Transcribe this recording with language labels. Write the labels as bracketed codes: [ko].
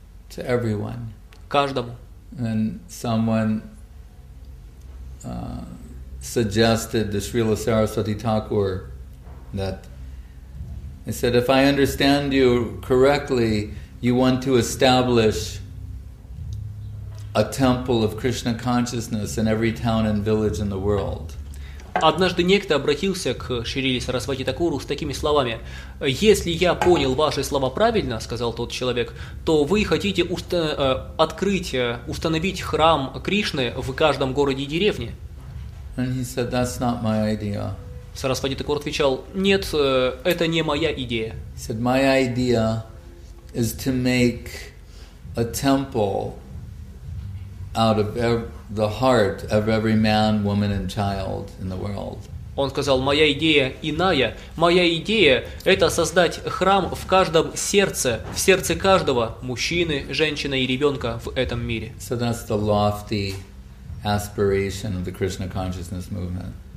[en] To everyone. [ru] Каждому. [en] And someone suggested to Srila Saraswati Thakur that he said, if I understand you correctly, you want to establish a temple of Krishna consciousness in every town and village in the world. [ru] Однажды некто обратился к Шрили Сарасвати Такуру с такими словами: «Если я понял ваши слова правильно, — сказал тот человек, — то вы хотите установить храм Кришны в каждом городе и деревне?» [en] And he said, that's not my idea. [ru] Сарасвати Такур отвечал: «Нет, это не моя идея». [en] He said, my idea is to make a temple out of the heart of every man, woman, and child in the world. [ru] Он сказал: моя идея иная. Моя идея — это создать храм в каждом сердце, в сердце каждого мужчины, женщины и ребенка в этом мире. [en] So that's the lofty aspiration of the Krishna consciousness movement.